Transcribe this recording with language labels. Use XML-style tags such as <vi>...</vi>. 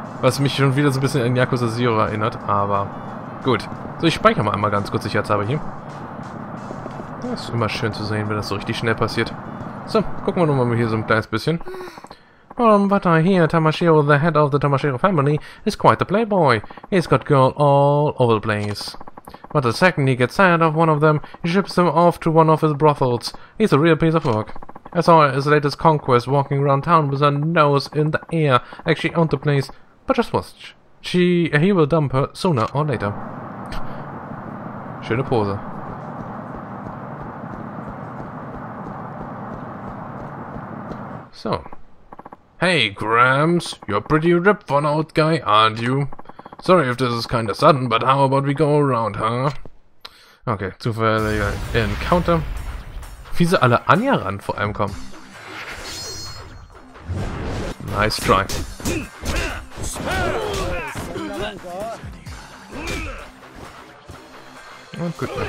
<de>Was mich schon wieder so ein bisschen an Yakuza Zero erinnert, aber gut. So, ich speichere mal einmal ganz kurz, ich jetzt habe hier. Das ist immer schön zu sehen, wenn das so richtig schnell passiert. So, gucken wir nochmal hier so ein kleines bisschen.</de> <en>What I hear, Tamashiro, the head of the Tamashiro family, is quite the playboy. He's got girls all over the place. But the second he gets tired of one of them, he ships them off to one of his brothels. He's a real piece of work. I saw his latest conquest walking around town with her nose in the air, like she owned the place. But just watch. He will dump her sooner or later.</en> <de>Schöne Pose.</de> <en>So. Hey, Grams, you're pretty ripped for an old guy, aren't you? Sorry if this is kinda sudden, but how about we go around, huh?</en> <de>Okay, zufälliger Encounter. Wie sie alle Anya ran vor allem kommen.</de> <en>Nice try.</en> <de>Und gut.</de>